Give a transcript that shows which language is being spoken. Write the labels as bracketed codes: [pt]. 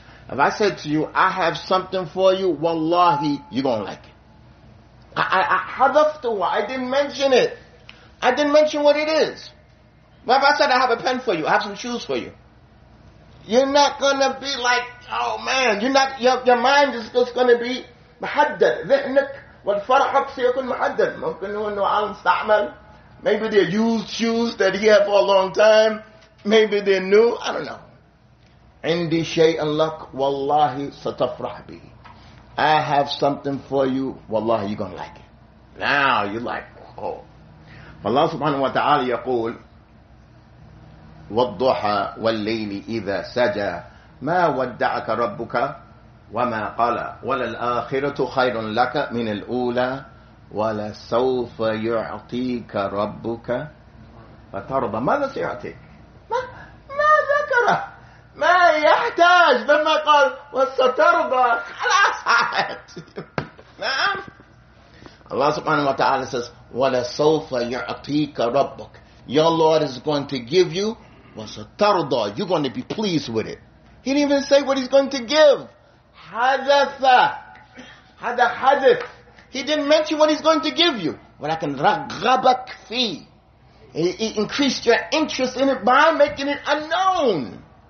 [en] If I said to you, I have something for you, [ar] والله, [en] you're going to like it. I [ar] حذفت, [en] I didn't mention it. I didn't mention what it is. But if I said, I have a pen for you, I have some shoes for you. You're not gonna be like, oh man, you're not, your mind is just gonna be [ar] محدد. ذهنك والفرحك سيكون محدد. ممكن هو انه عالم استعمل. [en] Maybe they're used shoes that he had for a long time. Maybe they're new. I don't know. [ar] عندي شيء لك والله ستفرح به. [en] I have something for you. [ar] والله, [en] you're gonna like it. Now you're like, oh. [ar] Allah subhanahu wa ta'ala يقول والضحى والليل إذا سجى ما ودعك ربك وما قلى وللآخرة خير لك من الأولى ولسوف يعطيك ربك فترضى. ماذا سيعطيك؟ ما ذكره, ما يحتاج. لما قال وسترضى خلاص. نعم. الله سبحانه وتعالى [en] says [ar] ولسوف يعطيك ربك. [en] Your Lord is going to give you. [ar] وسترضى, [en] you're going to be pleased with it. He didn't even say what he's going to give. [ar] حذف, هذا حذف. [en] He didn't mention what he's going to give you. [ar] ولكن رغبك فيه. [en] He increased your interest in it by making it unknown.